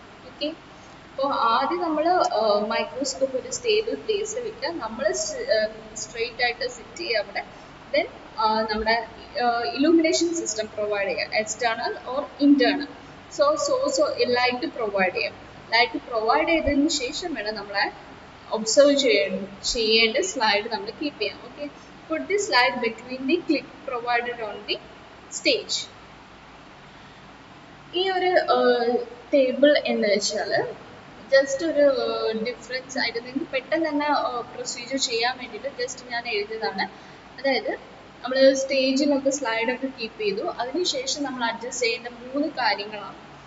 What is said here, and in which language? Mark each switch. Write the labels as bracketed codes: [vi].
[ml] Okay, അപ്പോൾ ആദ്യം നമ്മൾ മൈക്രോസ്കോപ്പ് ഒരു സ്റ്റേബിൾ പ്ലേസിൽ വെക്കുക, നമ്മൾ സ്ട്രെയിറ്റ് ആയിട്ട് സിറ്റ് ചെയ്യുക അവിടെ. ദെൻ നമ്മുടെ ഇലൂമിനേഷൻ സിസ്റ്റം പ്രൊവൈഡ് ചെയ്യുക, external or internal. So source light provide ചെയ്യാം. ലൈറ്റ് പ്രൊവൈഡ് ചെയ്തതിന് ശേഷം വേണം നമ്മളെ observe slide namlu keep cheyam. [en] Okay, put this slide between the clip provided on the stage. [ml] ഈ ഒരു ടേബിൾ എന്ന് വെച്ചാൽ ജസ്റ്റ് ഒരു ഡിഫറൻസ് ആയിട്ട് നിങ്ങൾക്ക് പെട്ടെന്ന് തന്നെ പ്രൊസീജിയർ ചെയ്യാൻ വേണ്ടിയിട്ട് ജസ്റ്റ് ഞാൻ എഴുതിയതാണ്. അതായത് നമ്മൾ സ്റ്റേജിലൊക്കെ സ്ലൈഡൊക്കെ കീപ്പ് ചെയ്തു, അതിനുശേഷം നമ്മൾ അഡ്ജസ്റ്റ് ചെയ്യേണ്ട മൂന്ന് കാര്യങ്ങളാണ്.